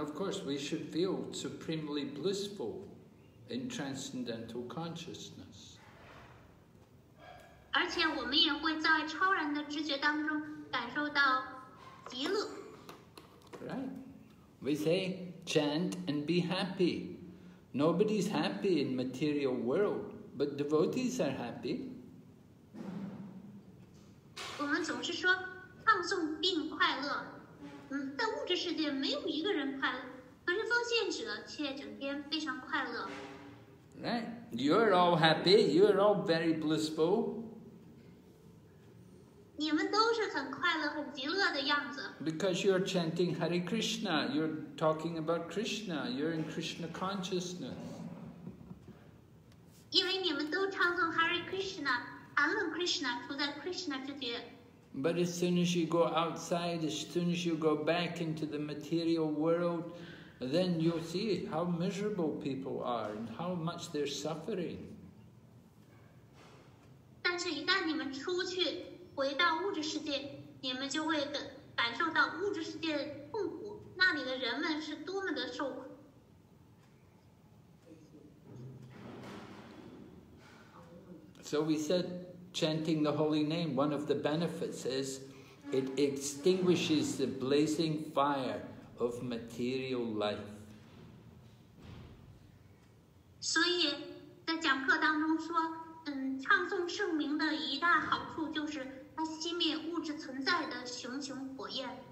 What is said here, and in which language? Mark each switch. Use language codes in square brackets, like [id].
[en] of course, we should feel supremely blissful in transcendental consciousness. [zh] 而且我们也会在超然的知觉当中感受到极乐。 [en] Right. We say, chant and be happy. Nobody's happy in material world, but devotees are happy. [zh] 我们总是说唱诵并快乐，在物质世界没有一个人快乐，可是奉献者却整天非常快乐。Right, [en] you're all happy, you're all very blissful. [zh] 你们都是很快乐、很极乐的样子。 [en] Because you're chanting Hare Krishna, you're talking about Krishna, you're in Krishna consciousness. [zh] 因为你们都唱诵 Hare Krishna, 谈论 Krishna, 处在 Krishna 之间。 [en] But as soon as you go outside, as soon as you go back into the material world, then you'll see how miserable people are and how much they're suffering. [zh] 但是一旦你们出去回到物质世界，你们就会感受到物质世界的痛苦，那里的人们是多么的受苦。 [en] So we said chanting the holy name, one of the benefits is it extinguishes the blazing fire of material life. [zh] 所以在讲课当中说，唱诵圣名的一大好处就是它熄灭物质存在的熊熊火焰。